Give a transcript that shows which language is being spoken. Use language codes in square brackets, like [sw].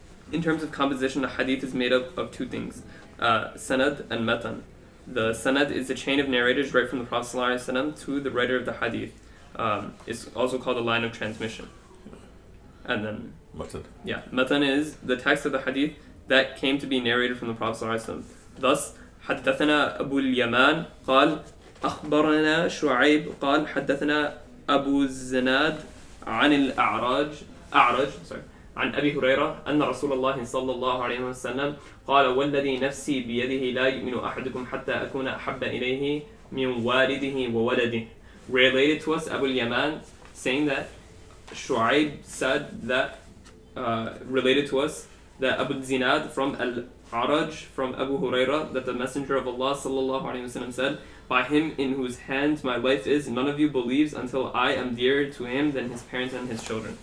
[en] In terms of composition, the hadith is made up of two things, sanad and matan. The sanad is a chain of narrators right from the Prophet sallallahu alaihi wasallam to the writer of the hadith. It's also called a line of transmission. And then matan. Yeah, matan is the text of the hadith that came to be narrated from the Prophet sallallahu alaihi wasallam. Thus, [ar] حدثنا أبو اليمان قال أخبرنا شعيب قال حدثنا أبو الزناد عن الأعرج عن أبي هريرة أن رسول الله صلى الله عليه وسلم قال والذي نفسي بيده لا يؤمن أحدكم حتى أكون أحب إليه من والده وولده. [en] Related to us, Abu al-Yaman, saying that Shu'aib said that, related to us, that Abu al-Zinad from Al-Araj, from Abu Huraira, that the Messenger of Allah sallallahu alayhi wa sallam said, by him in whose hands my life is, none of you believes until I am dearer to him than his parents and his children.